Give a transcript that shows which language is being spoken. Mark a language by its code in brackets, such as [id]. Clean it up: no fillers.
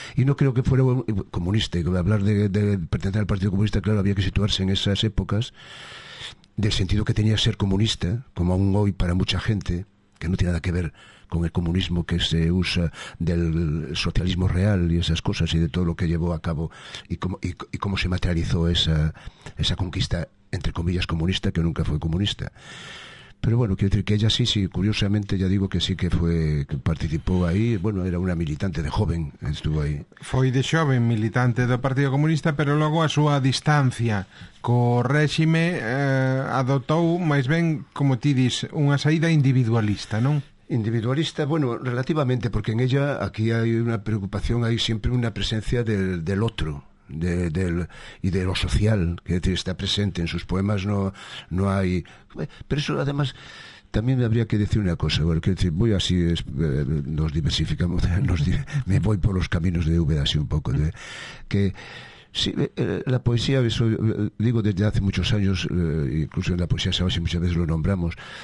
[es] Y no creo que fuera comunista, y hablar de pertenecer al Partido Comunista, claro, había que situarse en esas épocas, del sentido que tenía ser comunista, como aún hoy para mucha gente, que no tiene nada que ver con el comunismo que se usa del socialismo real y esas cosas y de todo lo que llevó a cabo y cómo se materializó esa conquista, entre comillas, comunista, que nunca fue comunista. Pero bueno, quiero decir que ella sí, curiosamente, ya digo que sí que fue, que participó ahí. Bueno, era una militante de joven, estuvo ahí. [gl] Foi de xoven militante do Partido Comunista, pero logo a súa distancia co réxime adotou, máis ben, como ti dis, unha saída individualista, non? Individualista, bueno, relativamente, porque en ella aquí hai unha preocupación, hai sempre unha presencia del outro. [es] Y de lo social, que es decir, está presente en sus poemas, no hay. Pero eso, además, también habría que decir una cosa, bueno, que decir, voy así, nos diversificamos, me voy por los caminos de Úbeda así un poco. Que sí, la poesía, eso digo desde hace muchos años, incluso en la poesía, sabes, y muchas veces lo nombramos.